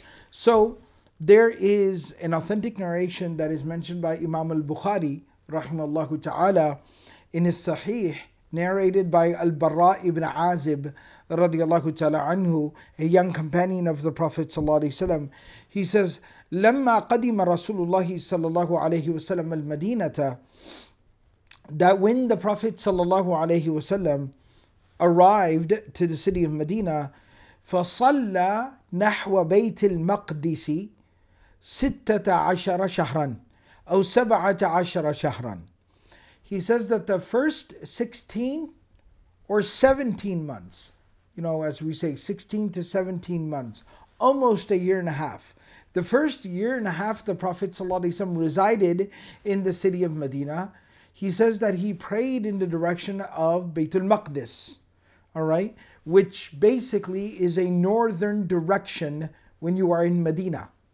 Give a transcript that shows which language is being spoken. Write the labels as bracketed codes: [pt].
[en] So there is an authentic narration that is mentioned by Imam al-Bukhari rahimahullah ta'ala in his Sahih, narrated by Al-Barra ibn Azib radiyallahu ta'ala anhu, a young companion of the Prophet sallallahu alayhi wasallam. [ar] He says, لَمَّا قَدِمَ رَسُولُ اللَّهِ صَلَّى اللَّهُ عَلَيْهِ وَسَلَّمَ الْمَدِينَةَ, [en] that when the Prophet sallallahu alayhi wasallam arrived to the city of Medina, [ar] فَصَلَّى نَحْوَ بَيْتِ الْمَقْدِسِ سِتَّةَ عَشَرَ شَهْرًا أَوْ سَبَعَةَ عَشَرَ شَهْرًا. [en] He says that the first 16 or 17 months, you know, as we say, 16 to 17 months, almost a year and a half. The first year and a half the Prophet ﷺ resided in the city of Medina, he says that he prayed in the direction of Baytul Maqdis, all right, which basically is a northern direction when you are in Medina.